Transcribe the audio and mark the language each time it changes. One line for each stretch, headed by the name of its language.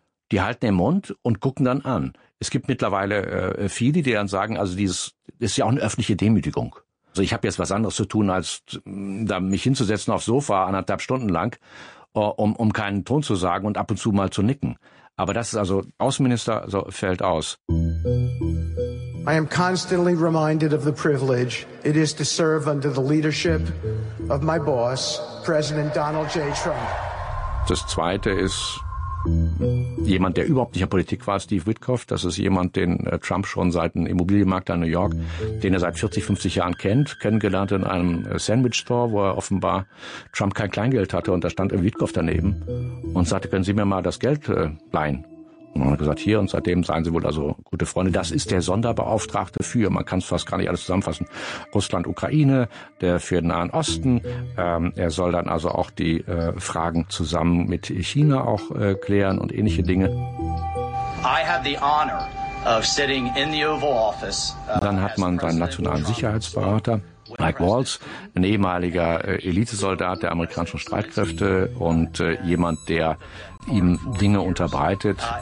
German: Die halten den Mund und gucken dann an. Es gibt mittlerweile viele, die dann sagen, also dieses ist ja auch eine öffentliche Demütigung. Also ich habe jetzt was anderes zu tun, als da mich hinzusetzen aufs Sofa 1,5 Stunden lang, um keinen Ton zu sagen und ab und zu mal zu nicken. Aber das ist also, Außenminister, so fällt aus.
English: I am constantly reminded of the privilege it is to serve under the leadership of my boss, President Donald J. Trump.
German: Das Zweite ist, jemand, der überhaupt nicht in Politik war, Steve Witkoff, das ist jemand, den Trump schon seit einem Immobilienmakler in New York, den er seit 40, 50 Jahren kennt, kennengelernt in einem Sandwich-Store, wo er offenbar Trump kein Kleingeld hatte und da stand Witkoff daneben und sagte, können Sie mir mal das Geld leihen? Und dann hat er gesagt, hier, und seitdem seien Sie wohl also gute Freunde. Das ist der Sonderbeauftragte für, man kann es fast gar nicht alles zusammenfassen, Russland, Ukraine, der für den Nahen Osten. Er soll dann also auch die Fragen zusammen mit China auch klären und ähnliche Dinge.
English: I have the honor of sitting in the Oval Office.
German: Dann hat man seinen nationalen Sicherheitsberater, Mike Waltz, ein ehemaliger Elitesoldat der amerikanischen Streitkräfte und jemand, der ihm Dinge unterbreitet.